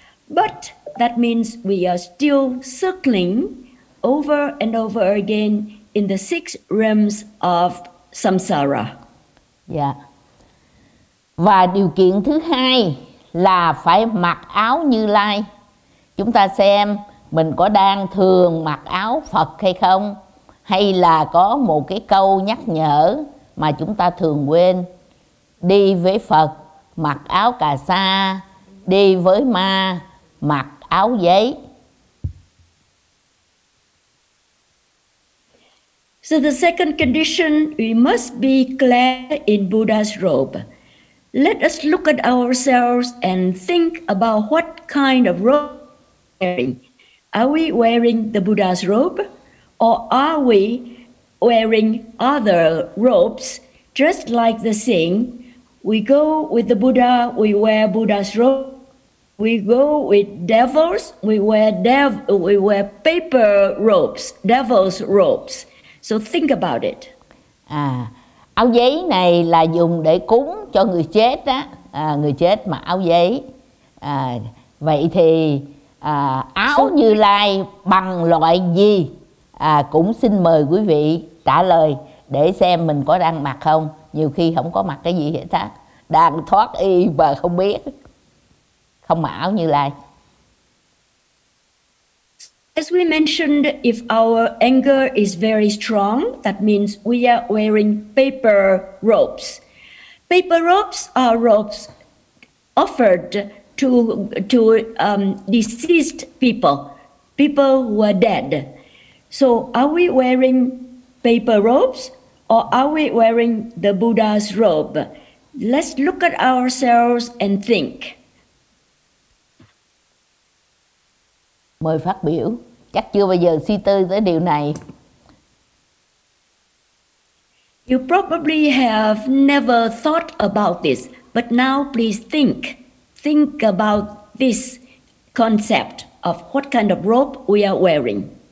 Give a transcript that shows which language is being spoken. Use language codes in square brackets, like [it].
[en] But that means we are still circling over and over again in the 6 realms of samsara. Yeah. [vi] Và điều kiện thứ hai là phải mặc áo Như Lai. Chúng ta xem mình có đang thường mặc áo Phật hay không, hay là có một cái câu nhắc nhở mà chúng ta thường quên. Đi với Phật mặc áo cà sa, đi với ma mặc áo giấy. [en] So the second condition, we must be clad in Buddha's robe. Let us look at ourselves and think about what kind of robe we're wearing. Are we wearing the Buddha's robe, or are we wearing other robes? Just like the saying, we go with the Buddha, we wear Buddha's robe. We go with devils, we wear paper robes, devil's robes. So think about it. [vi] À, áo giấy này là dùng để cúng cho người chết á, người chết mặc áo giấy. À, vậy thì áo Như Lai bằng loại gì? À, cũng xin mời quý vị trả lời để xem mình có đang mặc không. Nhiều khi không có mặc cái gì hết á, đang thoát y mà không biết, không mặc áo Như Lai. [en] As we mentioned, if our anger is very strong, that means we are wearing paper robes. Paper robes are robes offered to deceased people who are dead. So are we wearing paper robes or are we wearing the Buddha's robe? Let's look at ourselves and think. [vi] Mời phát biểu. Chắc chưa bao giờ suy tư tới điều này. [en] You probably have never thought about this, but now please think. Think about this concept of what kind of robe we are wearing.